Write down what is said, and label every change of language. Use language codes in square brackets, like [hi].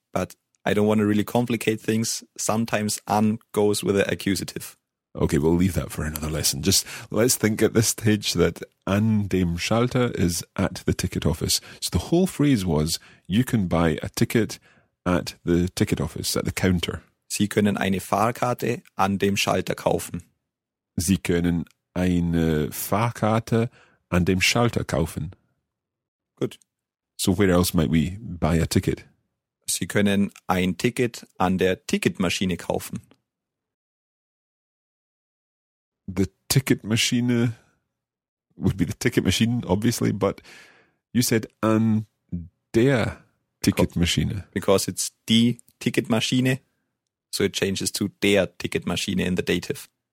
[en] But I don't want to really complicate things. Sometimes an goes with the accusative. Okay, we'll leave that for another lesson. Just let's think at this stage that [de] an dem Schalter [en] is at the ticket office. So the whole phrase was, you can buy a ticket at the ticket office, at the counter. [de] Sie können eine Fahrkarte an dem Schalter kaufen. Sie können eine Fahrkarte an dem Schalter kaufen. [en] Good. So where else might we buy a ticket? [de] Sie können ein Ticket an der Ticketmaschine kaufen. [en] The ticket machine would be the ticket machine, obviously, but you said [de] an der Ticketmaschine. [en] Because it's die Ticketmaschine. So it changes to [de] der Ticketmaschine [en] in the dative.